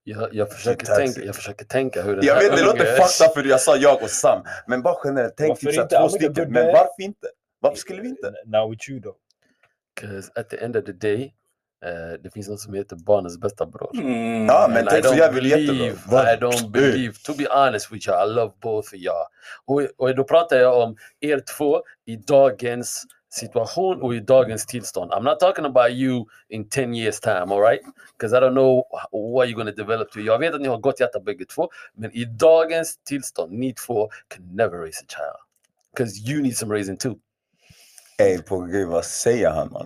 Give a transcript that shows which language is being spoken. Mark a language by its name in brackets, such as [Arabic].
[Swedish] Jag försöker tänka hur det jag vet, det låter fucked up för jag sa jag och Sam. Men bara generellt, tänk typ såhär två stycken. Men varför inte? Varför skulle vi inte? [English] Now with you though. Because at the end of the day, [Swedish] det finns något som heter barnens bästa bror. Ja, men tänk så jävligt jättebra. [English] I don't believe, to be honest with you, I love both of y'all. [Swedish] Och då pratar jag om er två i dagens situation och i dagens tillstånd. [English] I'm not talking about you in 10 years time, all right? Because I don't know what you're going to develop to. [Swedish] Jag vet att ni har gott hjärta bägge två, men i dagens tillstånd, ni två [English] can never raise a child. Because you need some raising too. [Swedish] Ey, på grej, vad säger han, man?